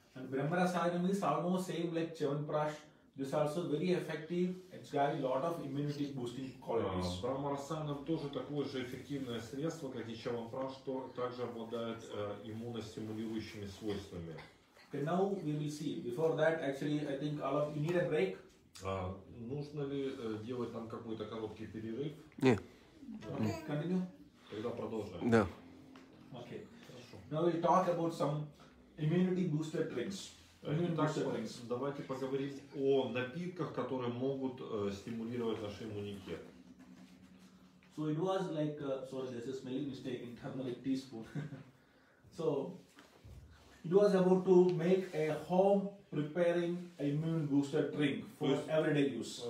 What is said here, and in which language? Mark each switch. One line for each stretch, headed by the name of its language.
English: And Brahmarasayam is almost same like Chyavanprash. This also very effective. It's got a lot of immunity boosting qualities.
Russian: Brahmarasayam тоже такое же эффективное средство, как и Chyavanprash, что также обладает иммуностимулирующими свойствами.
English: Okay, now we will see. Before that, actually, I think all of you need a break.
Russian: Нужно ли делать там какой-то короткий перерыв? Не.
English: Continue?
Russian: Тогда продолжим. Да.
English: Okay.
Russian: Хорошо.
English: Now we'll talk about some immunity booster drinks.
Russian: Давайте поговорим о напитках, которые могут стимулировать наш иммунитет.
English: So it was like, sorry, there's a smelling mistake in turmeric teaspoon. So it was about to make a home preparing immune booster drink for everyday use.